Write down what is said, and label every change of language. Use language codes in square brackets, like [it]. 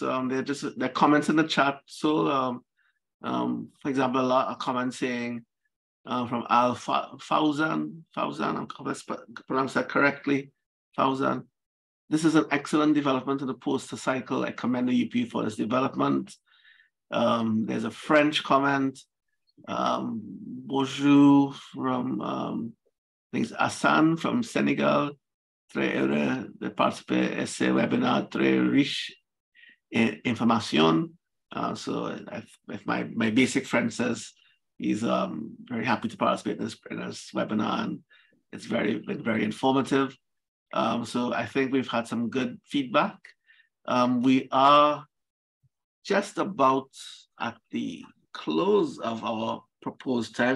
[en] They're comments in the chat. So, for example, a lot of comments saying from Al Fauzan, Fauzan. This is an excellent development in the postal cycle. I commend the UPU for this development. There's a French comment. Bonjour from, I think it's Hassan from Senegal. [fr] Très heureux de participer à ce webinar, très riche en information. [en] So if my basic French says he's very happy to participate in this webinar, and it's very, very informative. So I think we've had some good feedback. We are just about at the close of our proposed time.